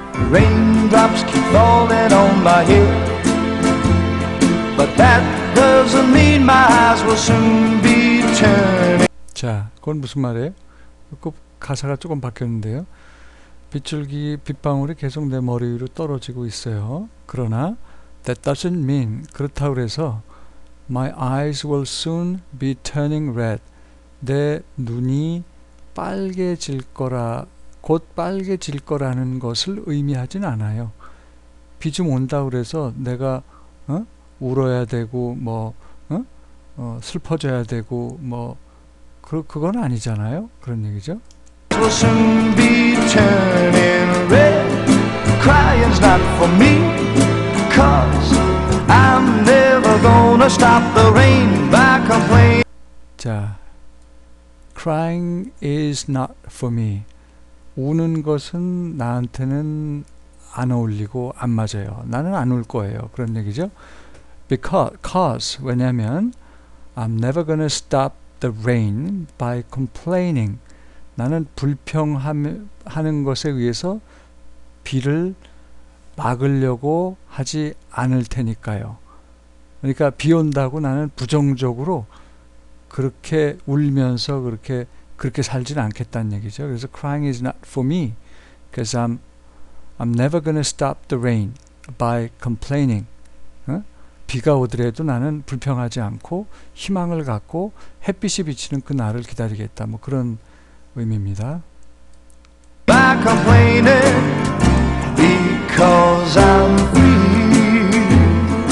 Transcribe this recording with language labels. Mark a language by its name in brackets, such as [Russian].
[English] Raindrops keep falling on my head, but that doesn't mean my eyes will soon be turning. [Korean] 자, 그건 무슨 말이에요? 그 가사가 조금 바뀌었는데요. 빗방울이 계속 내 머리 위로 떨어지고 있어요. 그러나 [English] that doesn't mean [Korean] 그렇다고 해서 [English] my eyes will soon be turning red. [Korean] 내 눈이 빨개질 거라 곧 빨개질 거라는 것을 의미하진 않아요. 비좀 온다고 해서 내가 울어야 되고 뭐 슬퍼져야 되고 뭐 그건 아니잖아요. 그런 얘기죠. [English] Crying's not for me, 'cause I'm never gonna stop the rain by complaining. 자, crying is not for me. [Korean] 우는 것은 나한테는 안 어울리고 안 맞아요. 나는 안 울 거예요. 그런 얘기죠. [English] Because [Korean] 왜냐면 [English] I'm never gonna stop the rain by complaining. [Korean] 나는 불평하는 것에 의해서 비를 막으려고 하지 않을 테니까요. 그러니까 비 온다고 나는 부정적으로 그렇게 울면서 그렇게 살지는 않겠다는 얘기죠. 그래서 [English] crying is not for me because I'm never gonna stop the rain by complaining. [Korean] 비가 오더라도 나는 불평하지 않고 희망을 갖고 햇빛이 비치는 그 날을 기다리겠다. 뭐 그런 의미입니다. [English] By complaining because I'm free.